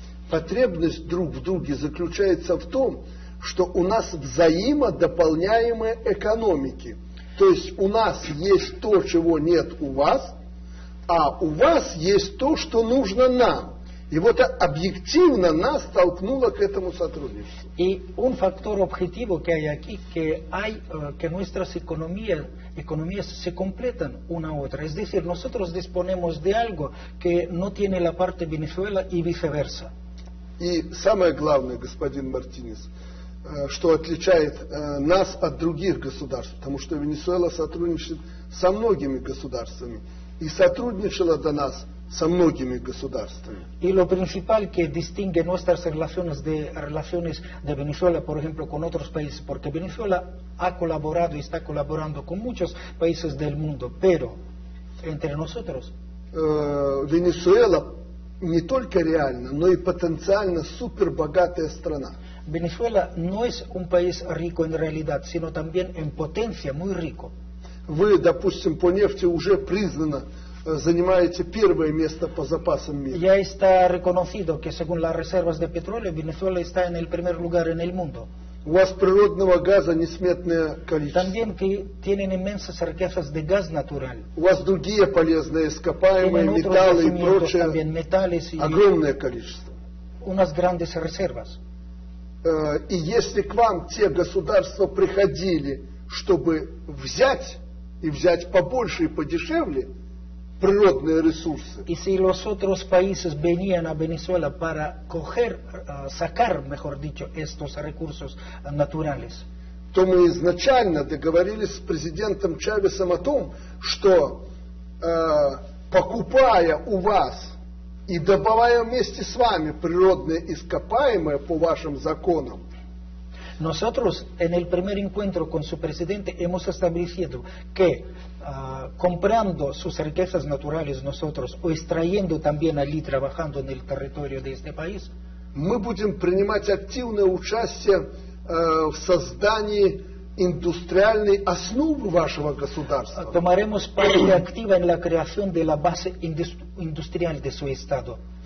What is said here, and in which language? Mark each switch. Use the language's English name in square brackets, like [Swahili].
[Russian] Потребность друг в друге заключается в том, что у нас взаимодополняемые экономики. То есть у нас есть то, чего нет у вас, а у вас есть то, что нужно нам. И вот это объективно нас толкнуло к этому сотрудничеству. [Spanish] И un factor objetivo que hay aquí, que hay que nuestras economías se completan una a otra. Es decir, nosotros disponemos de algo que no tiene la parte Venezuela y viceversa. [Russian] И самое главное, господин Мартинес, что отличает нас от других государств, потому что Венесуэла сотрудничает со многими государствами и сотрудничала до нас со многими государствами. [Spanish] И lo principal que distingue nuestras relaciones de Venezuela, por ejemplo, con otros países, porque Venezuela ha colaborado y está colaborando con muchos países del mundo, pero entre nosotros [Russian] Венесуэла не только реально, но и потенциально супербогатая страна. [Spanish] Венесуэла no es un país rico en realidad, sino también en potencia muy rico. [Russian] Вы, допустим, по нефти уже признано занимаете первое место по запасам мира. [Spanish] Ya está reconocido que según las reservas de petróleo Venezuela está en el primer lugar en el mundo. [Russian] У вас природного газа несметное количество. [Spanish] También que tienen inmensas riquezas de gas natural. [Russian] У вас другие полезные ископаемые, металлы и прочее. [Spanish] También metales y [Russian] огромное количество. [Spanish] Unas grandes reservas. [Russian] И если к вам те государства приходили, чтобы взять и взять побольше и подешевле природные ресурсы. [Spanish] Y si los otros países venían a Venezuela para coger, sacar, mejor dicho, estos recursos naturales. [Russian] То мы изначально договорились с президентом Чавесом о том, что покупая у вас и добывая вместе с вами природные ископаемые по вашим законам. [Spanish] Nosotros en el primer encuentro con su presidente hemos establecido que comprando sus riquezas naturales nosotros o extrayendo también allí, trabajando en el territorio de este país, [Russian] мы будем принимать активное участие в создании индустриальной основы вашего государства. [Spanish] Tomaremos parte activa en la creación de la base industrial de su estado.